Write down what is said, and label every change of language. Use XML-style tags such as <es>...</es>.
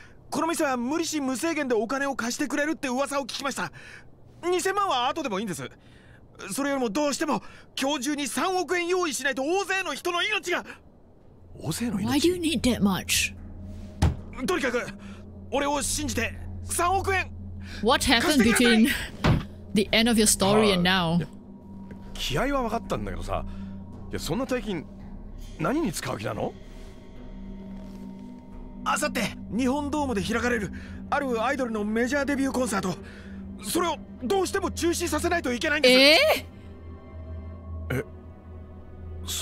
<ja>この店は無利子無制限でお金を貸してくれるって噂を聞きました。 2000万は後でもいいんです。それよりもどうしても今日中に3億円用意しないと大勢の人の命が。大勢の命？</ja> <en>Why do you need that much?</en> <ja>とにかく俺を信じて3億円。</ja> <en>What happened between the end of your story and now?</en> <ja>気合は分かったんだけどさ、いやそんな大金何に使う気なの？明後日、日本ドームで開かれるあるアイドルのメジャーデビューコンサート、それをどうしても中止させないといけないんです。</ja>